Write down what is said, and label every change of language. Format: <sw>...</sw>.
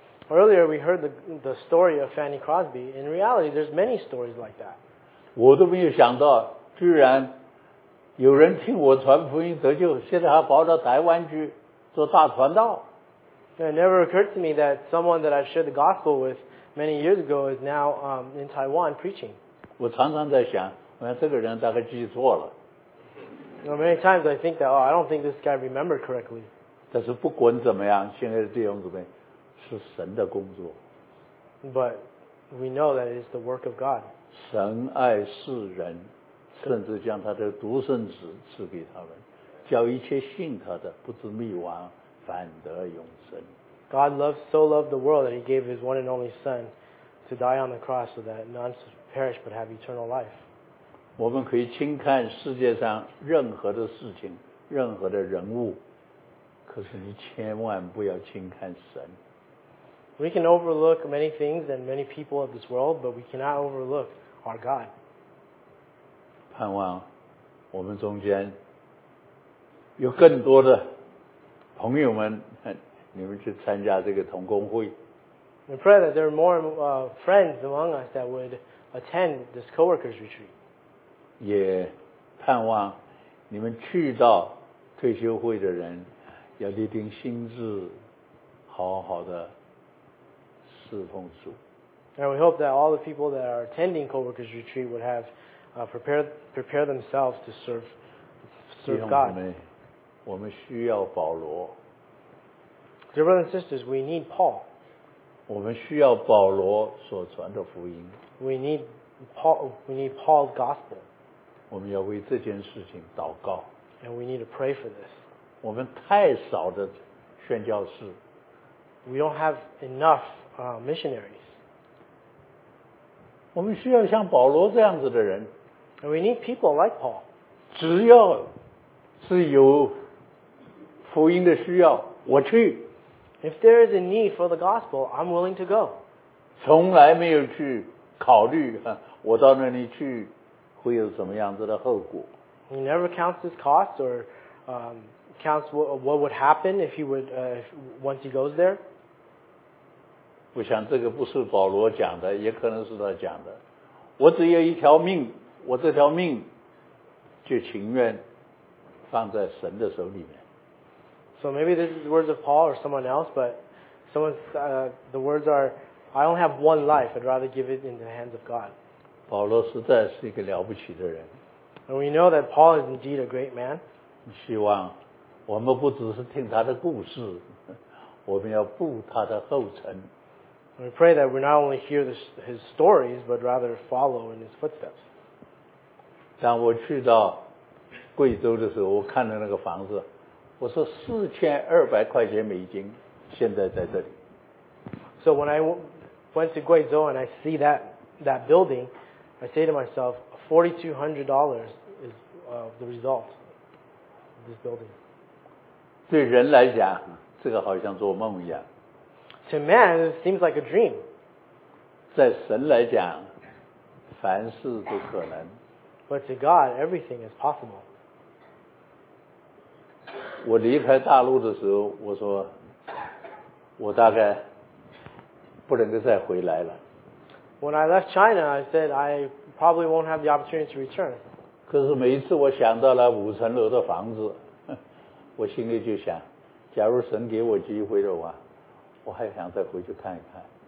<en>Earlier we heard the story of Fanny Crosby. In reality, there's many stories like that.</en> <zh>我都没有想到，居然有人听我传福音得救，现在还跑到台湾去做大传道。</zh> <en>It never occurred to me that someone that I shared the gospel with many years ago is now in Taiwan preaching.</en> <zh>我常常在想，我想这个人大概记错了。</zh> <en>Well, many times I think that, oh, I don't think this guy remembered correctly.</en> <zh>但是不管怎么样，现在的弟兄姊妹是神的工作。</zh> <en>But we know that it is the work of God.</en> <zh>神爱世人，甚至将他的独生子赐给他们，叫一切信他的不至灭亡，反得永生。</zh> <en>God loved, so loved the world that he gave his one and only son to die on the cross so that none should perish but have eternal life.</en> <zh>我们可以轻看世界上任何的事情，任何的人物，可是你千万不要轻看神。</zh> <en>We can overlook many things and many people of this world, but we cannot overlook our God.</en> <zh>盼望我们中间有更多的朋友们，你们去参加这个同工会。</zh> <en>We pray that there are more friends among us that would attend this co-workers retreat.</en> <zh>也盼望你们去到退休会的人要立定心志，好好的侍奉主。</zh> <en>And we hope that all the people that are attending co-workers retreat would have prepare themselves to serve God.</en> <zh>我们需要保罗。</zh> <en>Dear brothers and sisters, we need Paul.</en> <zh>我们需要保罗所传的福音。</zh> <en>We need Paul's gospel.</en> <zh>我们要为这件事情祷告。</zh> <en>And we need to pray for this.</en> <zh>我们太少的宣教士。</zh> <en>We don't have enough missionaries.</en> <zh>我们需要像保罗这样子的人。</zh> <en>And we need people like Paul.</en> <zh>只要是有福音的需要，我去。</zh> <en>If there is a need for the gospel, I'm willing to go.</en> <zh>从来没有去考虑我到那里去会有什么样子的后果。</zh> <en>He never counts his costs or counts what would happen if he would once he goes there.</en> <zh>我想这个不是保罗讲的，也可能是他讲的。我只有一条命，我这条命就情愿放在神的手里面。</zh> <en>So maybe this is the words of Paul or someone else, but the words are, I only have one life, I'd rather give it in the hands of God.</en> <zh>保罗实在是一个了不起的人。</zh> <en>And we know that Paul is indeed a great man.</en> <zh>希望我们不只是听他的故事，我们要步他的后尘。</zh> <en>We pray that we not only hear his stories, but rather follow in his footsteps.</en> <zh>当我去到贵州的时候，我看到那个房子，我说4200块钱美金，现在在这里。</zh> <en>So when I went to Guizhou and I see that building, I say to myself, $4,200 is the result of this building.</en> <zh>对人来讲，这个好像做梦一样。</zh> <en>To man, it seems like a dream.</en> <zh>在神来讲，凡事都可能。</zh> <en>But to God, everything is possible.</en> <zh>我离开大陆的时候，我说我大概不能够再回来了。</zh> <en>When I left China, I said I probably won't have the opportunity to return.</en> <zh>可是每一次我想到了5层楼的房子，我心里就想，假如神给我机会的话，我还想再回去看一看。</zh>